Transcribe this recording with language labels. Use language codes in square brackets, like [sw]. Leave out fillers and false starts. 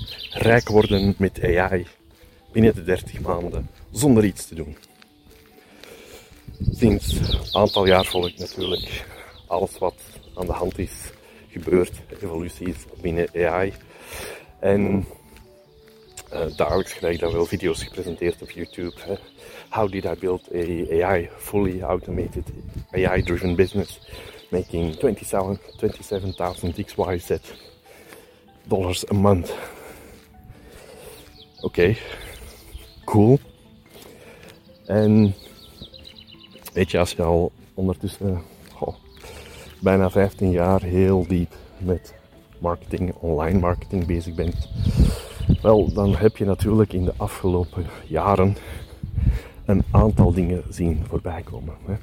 [nl] Rijk worden met AI binnen de 30 maanden, zonder iets te doen. Sinds een aantal jaar volg ik natuurlijk alles wat aan de hand is, gebeurt, evoluties binnen AI. En dagelijks krijg ik dan wel video's gepresenteerd op YouTube. Hè. [en] How did I build a AI fully automated AI driven business making 27,000 XYZ dollars a month? Okay. Cool. [nl] En weet je, als je al ondertussen bijna 15 jaar heel diep met marketing, online marketing bezig bent, wel, dan heb je natuurlijk in de afgelopen jaren een aantal dingen zien voorbij komen. Hè.